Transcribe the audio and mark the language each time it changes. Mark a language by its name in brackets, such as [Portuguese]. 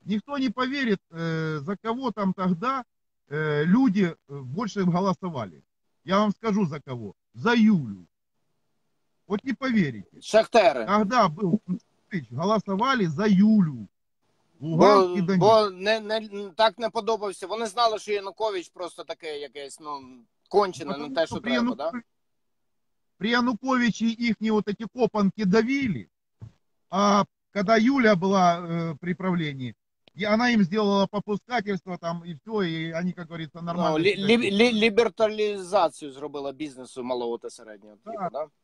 [Russian] Никто не поверит, за кого там тогда люди больше голосовали. Я вам скажу за кого. За Юлю. Вот не поверите. Шахтеры. Когда был голосовали за Юлю. [Ukrainian] Луганськ і Донецьк. Бо не так не подобався. Вони знали, що Янукович просто такий якесь, ну, кончене, не те, що треба, так? При Януковичі їхні от [Russian] эти копанки давили, а когда Юля была при правлении, и она им сделала попускательство там и все, и они, как говорится, нормально. Ну, либерализацию сделала бизнесу малого и среднего типа, да?